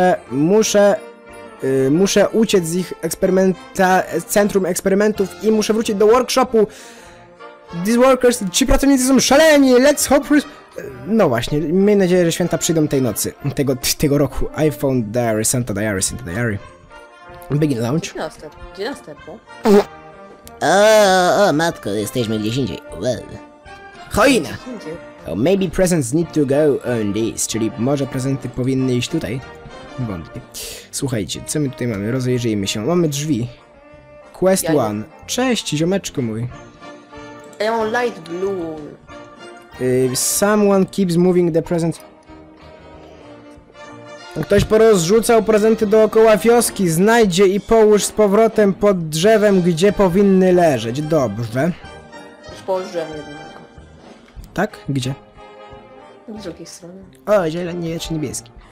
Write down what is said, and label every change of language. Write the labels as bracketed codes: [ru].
[pl] Muszę uciec z ich centrum eksperymentów i muszę wrócić do workshopu. [en] These workers, [pl] ci pracownicy są szaleni, [en] let's hope for... [pl] No właśnie, miej nadzieję, że święta przyjdą tej nocy, tego roku. [en] iPhone diary, Santa diary. Begin launch. [pl] Gdzie następny? O, matko, jesteśmy gdzieś indziej. [en] Well. [pl] Choina! [en] Oh, maybe presents need to go on this, [pl] czyli może prezenty powinny iść tutaj? Wątpię. Słuchajcie, co my tutaj mamy? Rozejrzyjmy się. Mamy drzwi. Quest 1. Cześć, ziomeczku mój. Ja mam [en] light blue. Someone keeps moving the presents. [pl] Ktoś porozrzucał prezenty dookoła wioski. Znajdzie i połóż z powrotem pod drzewem, gdzie powinny leżeć. Dobrze. Połóż drzewem jednego. Tak? Gdzie? Z drugiej strony. O, zielony czy niebieski.